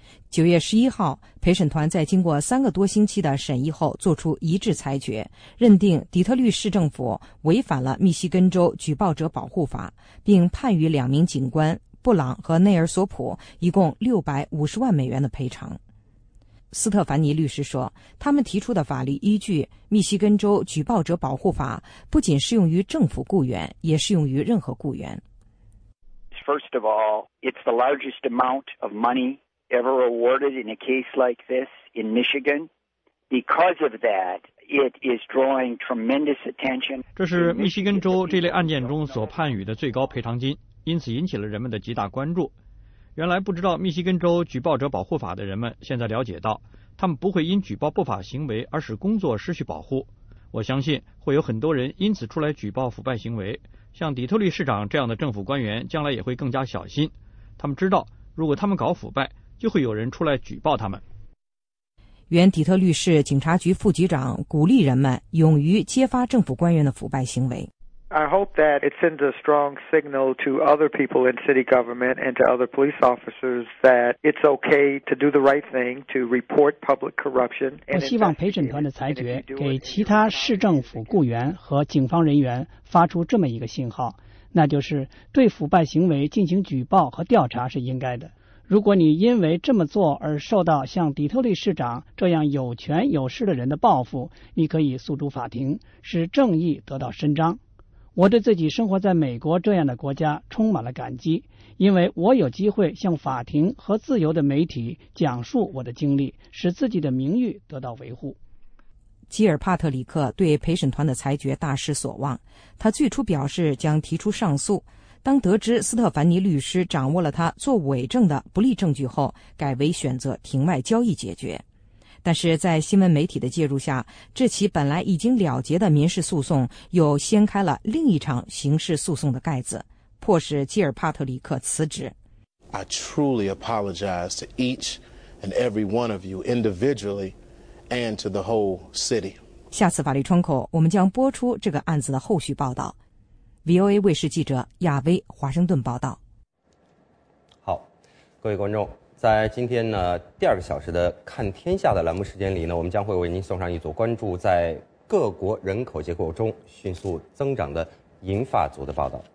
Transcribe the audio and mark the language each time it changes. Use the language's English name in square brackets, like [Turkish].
[Chinese] 9月11号，陪审团在经过3个多星期的审议后作出一致裁决，认定底特律市政府违反了密西根州举报者保护法，并判予两名警官布朗和内尔索普一共$650万的赔偿。斯特凡尼律师说，他们提出的法律依据密西根州举报者保护法不仅适用于政府雇员，也适用于任何雇员。 [English] First of all, it's the largest amount of money ever awarded in a case like this in Michigan. Because of that, it is drawing tremendous attention. [Chinese] 这是密西根州这类案件中所判予的最高赔偿金，因此引起了人们的极大关注。原来不知道密西根州举报者保护法的人们，现在了解到，他们不会因举报不法行为而使工作失去保护。我相信会有很多人因此出来举报腐败行为，像底特律市长这样的政府官员将来也会更加小心。他们知道，如果他们搞腐败，就会有人出来举报他们。原底特律市警察局副局长鼓励人们勇于揭发政府官员的腐败行为。 [English] I hope that it sends a strong signal to other people in city government and to other police officers that it's okay to do the right thing to report public corruption. [Chinese] 我希望陪审团的裁决给其他市政府雇员和警方人员发出这么一个信号，那就是对腐败行为进行举报和调查是应该的。如果你因为这么做而受到像底特律市长这样有权有势的人的报复，你可以诉诸法庭，使正义得到伸张。我对自己生活在美国这样的国家充满了感激，因为我有机会向法庭和自由的媒体讲述我的经历，使自己的名誉得到维护。吉尔帕特里克对陪审团的裁决大失所望，他最初表示将提出上诉，当得知斯特凡尼律师掌握了他做伪证的不利证据后，改为选择庭外交易解决。但是在新闻媒体的介入下，这起本来已经了结的民事诉讼又掀开了另一场刑事诉讼的盖子，迫使吉尔帕特里克辞职。 [English] I truly apologize to each and every one of you individually and to the whole city. [Chinese] 下次法律窗口，我们将播出这个案子的后续报道。 VOA 卫视记者亚威华盛顿报道。好，各位观众。在今天呢第二个小时的看天下的栏目时间里呢，我们将会为您送上一组关注在各国人口结构中迅速增长的银发族的报道。